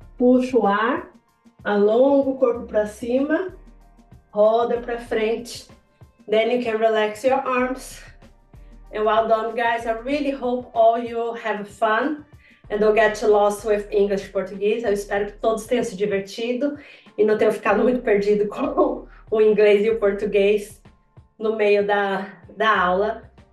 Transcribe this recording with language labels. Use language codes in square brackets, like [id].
[pt] Puxa o ar, alonga o corpo para cima, roda para frente. [en] Then you can relax your arms. And well done, guys. I really hope all you have fun and don't get lost with English Portuguese. [pt] Eu espero que todos tenham se divertido e não tenham ficado muito perdido com o inglês e o português no meio da aula.